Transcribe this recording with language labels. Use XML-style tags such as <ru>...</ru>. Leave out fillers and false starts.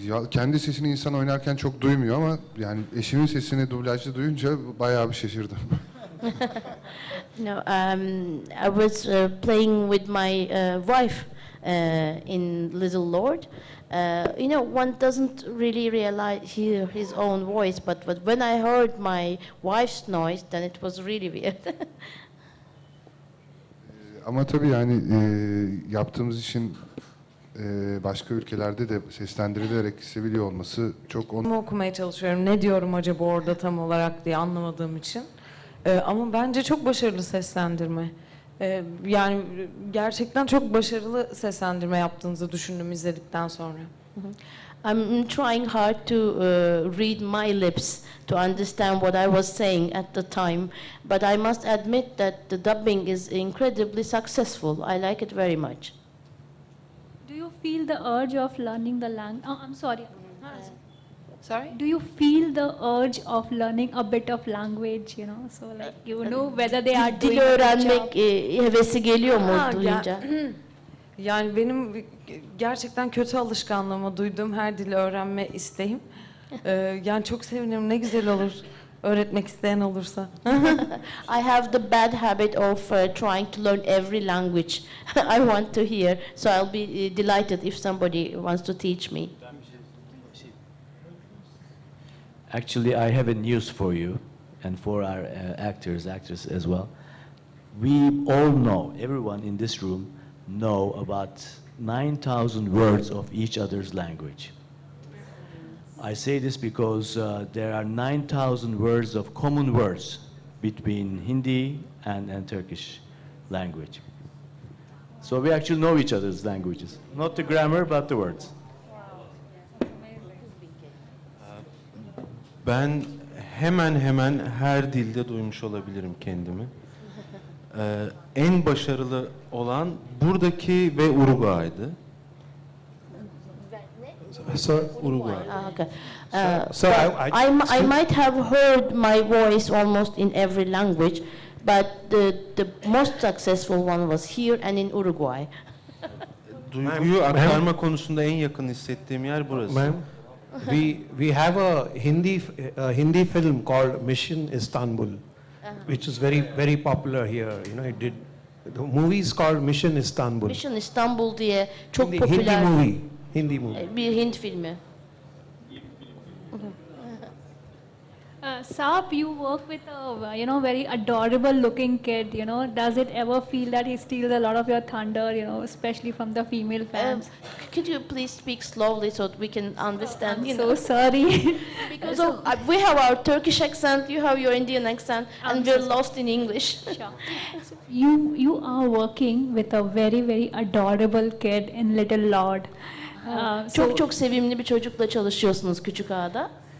<tr>Kendi sesini insan oynarken çok duymuyor ama yani eşimin sesini dublajda duyunca bayağı bir şaşırdım.</tr> <en>No, I was playing with my wife in Little Lord. You know, one doesn't really realize hear his own voice, but when I heard my wife's noise, then it was really weird.</en> <tr>Ama tabii yani yaptığımız işin başka ülkelerde de seslendirilerek seviliyor olması çok... Onu okumaya çalışıyorum. Ne diyorum acaba orada tam olarak diye anlamadığım için. Ama bence çok başarılı seslendirme. Yani gerçekten çok başarılı seslendirme yaptığınızı düşündüm izledikten sonra.</tr> <en>I'm trying hard to read my lips to understand what I was saying at the time, but I must admit that the dubbing is incredibly successful. I like it very much. Do you feel the urge of learning the language? Oh, I'm sorry. Sorry? Do you feel the urge of learning a bit of language, you know, so like you know whether they are doing</en> <tr>or anlamak hevesi geliyor mu duyunca? Yani benim gerçekten kötü alışkanlığımı duyduğum her dili öğrenme isteğim. Yani çok sevinirim. Ne güzel olur öğretmek isteyen olursa.</tr> <en>I have the bad habit of trying to learn every language I want to hear. So I'll be delighted if somebody wants to teach me. Actually, I have a news for you and for our actors, actresses as well. We all know, everyone in this room, know about 9,000 words of each other's language. I say this because there are 9,000 words of common words between Hindi and Turkish language. So we actually know each other's languages, not the grammar, but the words.</en> <tr>Ben hemen hemen her dilde duymuş olabilirim kendimi. En başarılı olan buradaki ve Uruguay'dı. Uruguay.</tr> <en>I might have heard my voice almost in every language, but the most successful one was here and in Uruguay.</en> <tr>Duyguyu aktarma konusunda en yakın hissettiğim yer burası.</tr> <en>We have a Hindi film called Mission Istanbul, uh-huh. which is very very popular here. You know, it did. The movie is called Mission Istanbul.</en> <tr>Mission Istanbul diye çok popüler.</tr> <en>Hindi movie.</en> <tr>Bir Hint filmi.</tr> <en>Saab, you work with a you know very adorable looking kid. You know, does it ever feel that he steals a lot of your thunder? You know, especially from the female fans. Could you please speak slowly so we can understand? Oh, I'm so sorry. Because we have our Turkish accent, you have your Indian accent, and we're lost in English. Sure. You are working with a very very adorable kid in Little Lord.</en> <tr>Çok çok sevimli bir çocukla çalışıyorsunuz küçük ağada.</tr>